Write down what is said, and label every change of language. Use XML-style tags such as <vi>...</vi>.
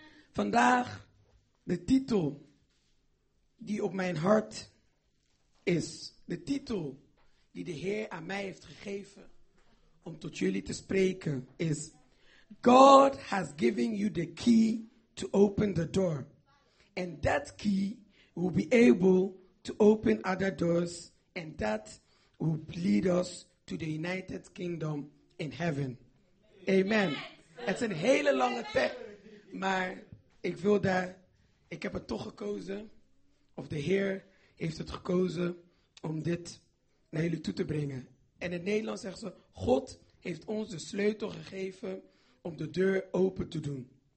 <nl>Vandaag de titel die op mijn hart is, de titel die de Heer aan mij heeft gegeven om tot jullie te spreken, is:</nl> <en>God has given you the key to open the door. And that key will be able to open other doors. And that will lead us to the United Kingdom in heaven. Amen. Yes.</en> <nl>Het is een hele lange tekst, maar ik heb het toch gekozen, of de Heer heeft het gekozen om dit naar jullie toe te brengen. En in het Nederlands zeggen ze: God heeft ons de sleutel gegeven om de deur open te doen.</nl>